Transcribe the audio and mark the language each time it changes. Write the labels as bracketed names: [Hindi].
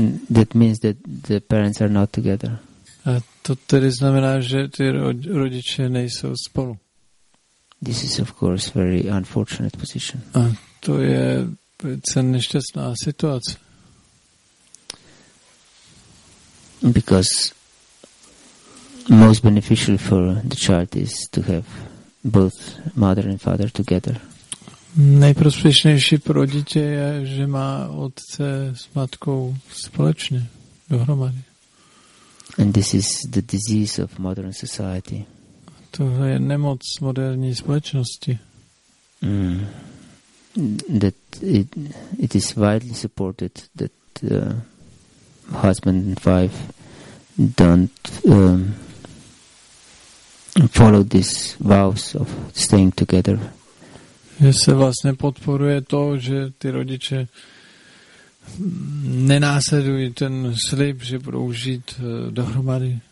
[English] That means that the parents are not together. [Czech] A to tedy znamená, že ty rodiče nejsou spolu. [English] This is of course very unfortunate position. [Czech] A to je velice nešťastná situace. [English] Because most beneficial for the child is to have both mother and father together. [Czech] Nejprospěšnější pro dítě je, že má otce s matkou společně, dohromady. [English] And this is the disease of modern society. [Czech] Tohle je nemoc moderní společnosti. [English] That it is widely supported that husband and wife don't follow these vows of staying together. [Czech] Že se vlastně podporuje to, že ty rodiče nenásledují ten slib, že budou žít dohromady.